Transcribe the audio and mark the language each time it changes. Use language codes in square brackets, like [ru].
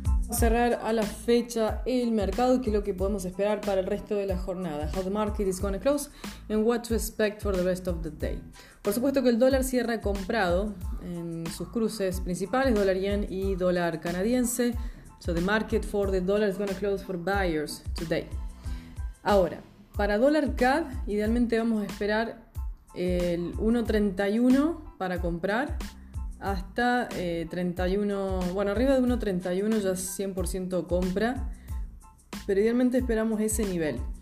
[es] cerrar a la fecha el mercado, que es lo que podemos esperar para el resto de la jornada. [en] How the market is going to close and what to expect for the rest of the day. [es] Por supuesto que el dólar cierra comprado en sus cruces principales, dólar yen y dólar canadiense. [en] So the market for the dollar is going to close for buyers today. [es] Ahora, para dólar CAD, idealmente vamos a esperar el 1.31 para comprar hasta 31, bueno, arriba de 1.31 ya es 100% compra, pero idealmente esperamos ese nivel.